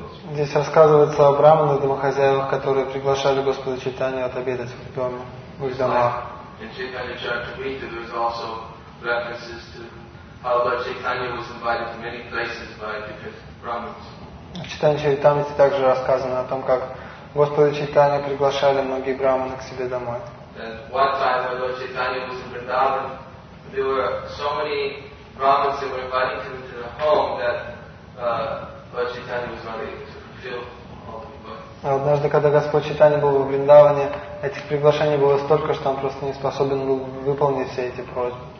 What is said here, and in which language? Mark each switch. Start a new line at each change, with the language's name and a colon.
Russian: Здесь рассказывается о браманах, домохозяевах, которые приглашали Господа Чайтанью отобедать в их доме.
English: In Chaitanya Charitamrita, there is also references to how Lord Chaitanya was invited to many places by different Brahmins.
Russian: В Чайтанья Чаритамрите также рассказано о том, как Господа Чайтанья приглашали многие брахманы к себе домой.
English: And one time when Lord Chaitanya was in Vrindavan, there were so many Brahmins that were inviting him to their home that Lord Chaitanya was not able to fulfill.
Russian: Однажды, когда Господь Чайтанья был в Вриндаване, этих приглашений было столько, что он просто не способен был выполнить все эти просьбы.